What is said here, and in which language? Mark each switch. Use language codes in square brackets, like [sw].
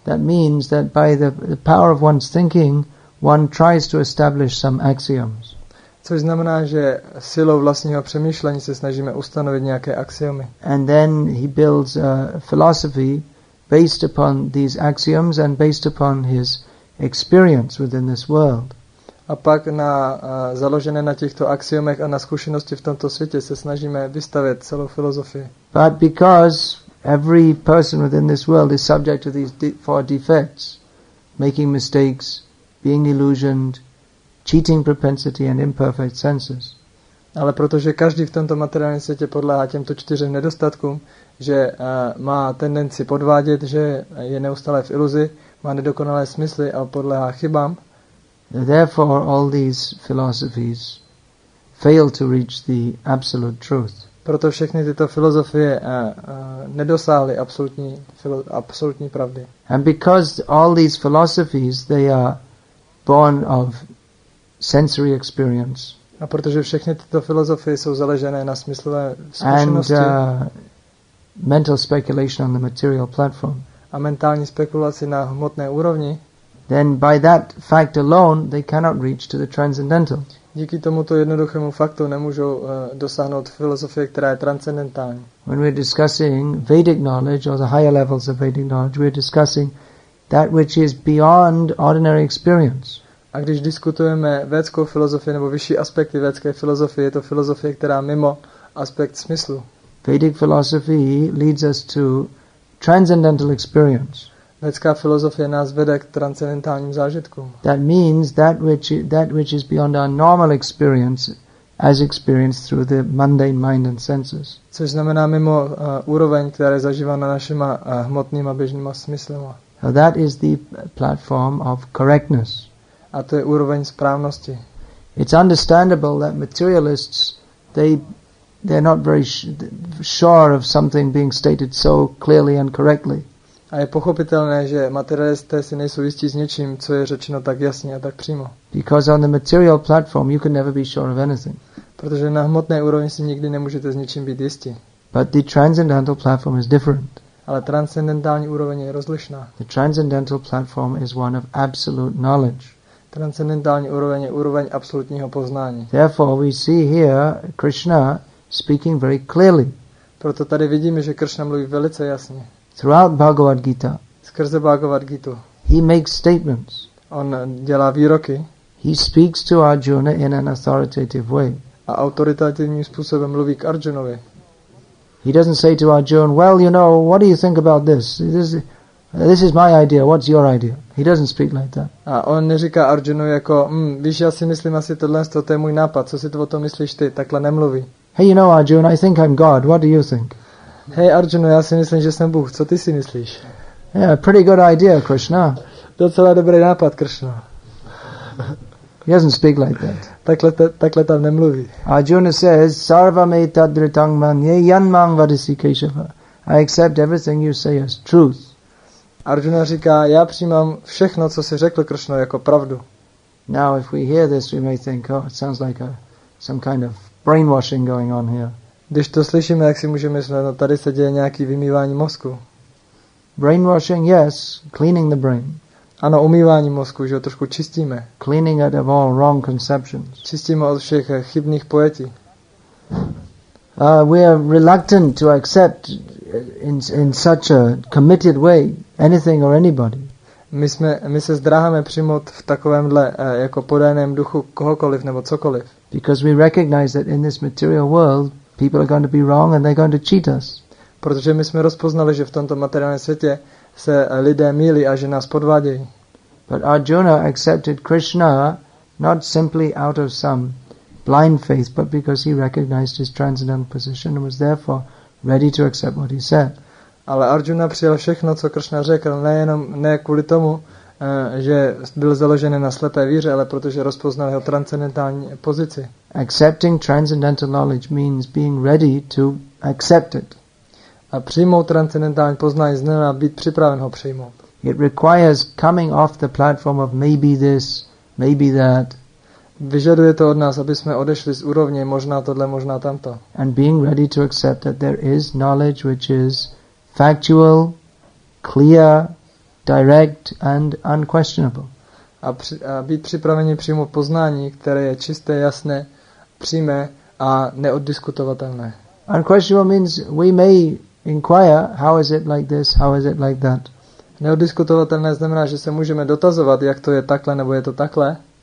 [en] That means that by the power of one's thinking, one tries to establish some axioms. [cs] Což znamená, že silou vlastního přemýšlení se snažíme ustanovit nějaké axiomy. [en] And then he builds a philosophy based upon these axioms and based upon his experience within this world. [cs] A pak na založené na těchto axiomech a na zkušenosti v tomto světě se snažíme vystavět celou filozofii. [en] But because every person within this world is subject to these four defects, making mistakes, being illusioned, cheating propensity and imperfect senses. [cs] Ale protože každý v tomto materiálním světě podléhá těmto čtyřem nedostatkům, že má tendenci podvádět, že je neustále v iluzi, má nedokonalé smysly a podléhá chybám. [en] Therefore all these philosophies fail to reach the absolute truth. [cs] Proto všechny tyto filozofie nedosáhly absolutní absolutní pravdy. [en] And because all these philosophies they are born of sensory experience. [cs] A protože všechny tyto filozofie jsou založené na smyslové zkušenosti. [en] And mental speculation on the material platform. [cs] A mentální spekulaci na hmotné úrovni. [en] Then by that fact alone they cannot reach to the transcendental. [cs] Díky tomuto jednoduchému faktu nemůžou dosáhnout filozofie, která je transcendentální. [en] When we're discussing Vedic knowledge or the higher levels of Vedic knowledge, we're discussing that which is beyond ordinary experience. [cs] A když diskutujeme védskou filozofii nebo vyšší aspekty védské filozofie, je to filozofie, která mimo aspekt smyslu. [en] Vedic philosophy leads us to transcendental experience. [cs] Védská filozofie nás vede k transcendentálním zážitkům. [en] That means that which is beyond our normal experience as experienced through the mundane mind and senses. [cs] Což znamená mimo úroveň, která je zažívána našima hmotnýma běžnýma smyslema. [en] So that is the platform of correctness. [cs] A to je úroveň správnosti. [en] It's understandable that materialists they're not very sure of something being stated so clearly and correctly. [cs] A je pochopitelné, že materialisté si nejsou jistí s něčím, co je řečeno tak jasně a tak přímo. [en] Because on the material platform you can never be sure of anything. [cs] Protože na hmotné úrovni si nikdy nemůžete s něčím být jistí. [en] But the transcendental platform is different. [cs] Ale transcendentální úroveň je rozlišná. [en] The transcendental platform is one of absolute knowledge. [cs] Transcendentální úroveň je úroveň absolutního poznání. [en] Therefore we see here Krishna speaking very clearly. [cs] Proto tady vidíme, že Krishna mluví velice jasně. [en] Throughout Bhagavad Gita. [cs] Skrze Bhagavad Gitu. [en] He makes statements. [cs] On dělá výroky. [en] He speaks to Arjuna in an authoritative way. [cs] A autoritativním způsobem mluví k Arjunovi. [en] He doesn't say to Arjuna, well, you know, what do you think about this? This is my idea. What's your idea? He doesn't speak like that. [cs] A on neříká Arjunu jako, víš, já si myslím asi tohle, to je můj nápad. Co si to o tom myslíš ty? Takhle nemluví. [en] Hey, you know, Arjuna, I think I'm God. What do you think? [cs] Hey, Arjuna, já si myslím, že jsem Bůh. Co ty si myslíš? [en] Yeah, pretty good idea, Krishna. [cs] Docela dobrý nápad, Krishna. [en] He doesn't speak like that. [cs] Takhle tam nemluví. [en] Arjuna says, [sa] Sarva me tadritang man ye yanmang vadisi keshava. [en] I accept everything you say as truth. [cs] Arjuna říká, já přijímám všechno, co si řekl Krishna, jako pravdu. [en] Now, if we hear this, we may think, oh, it sounds like some kind of brainwashing going on here. [cs] Když to slyšíme, jak si můžeme myslet, no tady se děje nějaký vymývání mozku. [en] Brainwashing, yes, cleaning the brain. [cs] Ano, umývání mozku, že ho trošku čistíme. [en] Cleaning it of all wrong conceptions. [cs] Čistíme od všech chybných pojetí. [en] We are reluctant to accept in such a committed way anything or anybody. [cs] My se zdráháme přijmout v takovémhle jako podaném duchu kohokoliv nebo cokoliv. [en] Because we recognize that in this material world people are going to be wrong and they're going to cheat us. [cs] Protože my jsme rozpoznali, že v tomto materiálním světě se lidé mýlí a že nás podvádějí. [en] But Arjuna accepted Krishna not simply out of some blind faith, but because he recognized his transcendental position and was therefore ready to accept what he said. [cs] Ale Arjuna přijal všechno, co Krishna řekl, nejenom ne kvůli tomu, že byl založen na slepé víře, ale protože rozpoznal jeho transcendentální pozici. [en] Accepting transcendental knowledge means being ready to accept it. [cs] A přijmout transcendentální poznání znamená být připraven ho přijmout. [en] It requires coming off the platform of maybe this, maybe that. [cs] Vyžaduje to od nás, aby jsme odešli z úrovně možná tohle, možná tamto. [en] And being ready to accept that there is knowledge which is factual, clear, direct and unquestionable. [cs] A být připraveni přijmout poznání, které je čisté, jasné, přímé a neoddiskutovatelné. [en] Unquestionable means we may inquire how is it like this, how is it like that. [cs] Neoddiskutovatelné znamená, že se můžeme dotazovat, jak to je takhle nebo je to takhle.